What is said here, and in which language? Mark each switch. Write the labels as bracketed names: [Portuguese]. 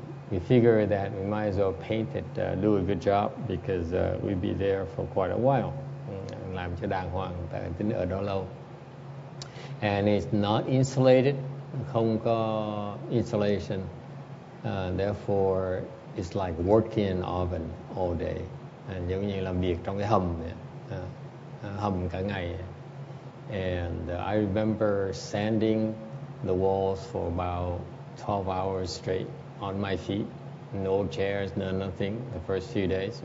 [English] We figure that we might as well paint it, do a good job, because we'll be there for quite a while. [Vietnamese] Làm cho đàng hoàng, tại tính ở đó lâu. [English] And it's not insulated, [Vietnamese] không có insulation. [English] Therefore, it's like working in an oven all day. [Vietnamese] Giống như làm việc trong cái hầm, hầm cả ngày. [English] And I remember sanding the walls for about 12 hours straight on my feet, no chairs, no nothing, the first few days.